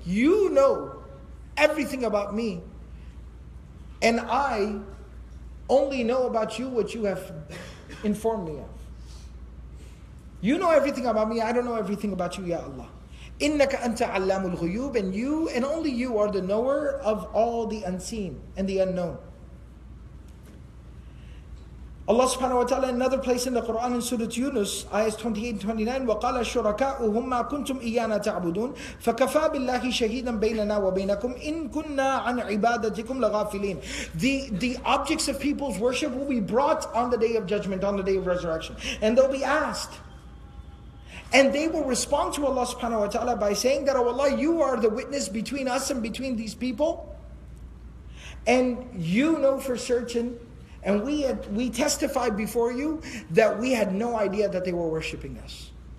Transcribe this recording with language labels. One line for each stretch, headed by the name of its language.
English: You know everything about me, and I only know about you what you have informed me of. You know everything about me, I don't know everything about you, Ya Allah.
Arabic: إِنَّكَ أَنْتَ عَلَّامُ الْغُيُوبِ.
English: And you, and only you, are the knower of all the unseen and the unknown. Allah subhanahu wa ta'ala, another place in the Quran, in Surah Yunus, ayahs 28-29,
Arabic: وَقَالَ شُرَكَاؤُهُمْ مَا كُنْتُمْ إِيَّانَا تَعْبُدُونَ فَكَفَى بِاللَّهِ شَهِيدًا بَيْنَنَا وَبَيْنَكُمْ إِن كُنَّا عَنْ عِبَادَتِكُمْ لَغَافِلِينَ.
English: The objects of people's worship will be brought on the day of judgment, on the day of resurrection. And they'll be asked. And they will respond to Allah subhanahu wa ta'ala by saying that, oh Allah, you are the witness between us and between these people. And you know for certain, and we testified before you that we had no idea that they were worshipping us.